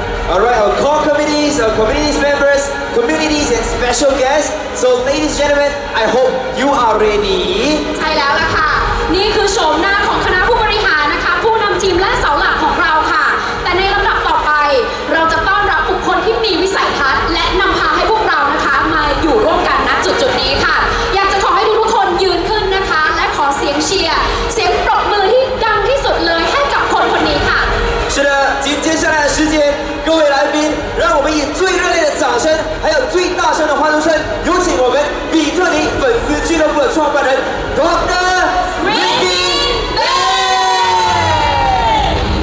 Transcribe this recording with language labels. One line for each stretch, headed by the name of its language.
English: Alright, our core committees, our committees members, communities and special guests. So ladies and gentlemen, I hope you are ready.
Thai: ใช่แล้วล่ะค่ะนี่คือโฉมหน้าของคณะผู้บริหารนะคะผู้นำทีมและเสาหลักของเราค่ะแต่ในลำดับต่อไปเราจะต้อนรับบุคคลที่มีวิสัยทัศน์และนำพาให้พวกเรานะคะมาอยู่ร่วมกันณจุดนี้ค่ะอยากจะขอให้ทุกคนยืนขึ้นนะคะและขอเสียงเชียร์เสียงปรบมือที่ดังที่สุดเลยให้กับคนนี้ค่ะ
Chinese: 是的，紧接下来的时间，各位来宾，让我们以最热烈的掌声，还有最大声的欢呼声，有请我们比特尼粉丝俱乐部的创办人 Dr. Ricky Lin，